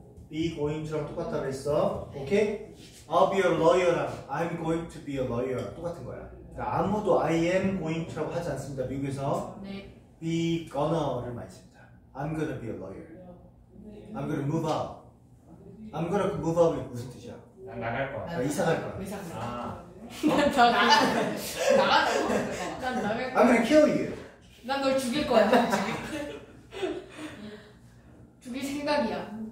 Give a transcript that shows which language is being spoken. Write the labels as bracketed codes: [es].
[en] Be going to랑 [ko] 똑같다 그랬어. 오케이? [en] I'll be a lawyer랑 I'm going to be a lawyer [ko] 똑같은 거야. 그러니까 아무도 [en] I am going to [ko] 라고 하지 않습니다. 미국에서. 네. [en] Be gonna [ko] 를 많이 씁니다. [en] I'm gonna be a lawyer. I'm gonna move out. I'm gonna move out이 [ko] 무슨 뜻이야? 난 나갈 거야. 나 이사 갈 거야. 이사 갈 거야. 난 나갈 거야. 난 나갈 거야. [en] I'm gonna kill you. [ko] 난 널 죽일 거야. 죽일 생각이야.